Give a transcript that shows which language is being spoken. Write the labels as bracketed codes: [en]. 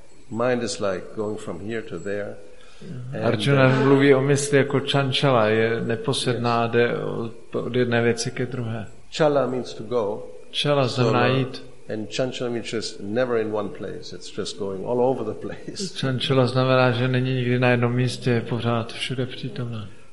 [en] Mind is like going from here to there. [cs] Arjuna mluví o mysli jako chanchala, je neposedná, jde od jedné věci ke druhé. [en] Chala means to go. [cs] Chala znamená jít. [en] And chanchala means just never in one place. It's just going all over the place. [cs] Chanchala znamená, že není nikdy na jednom místě, je pořád všude přítomná.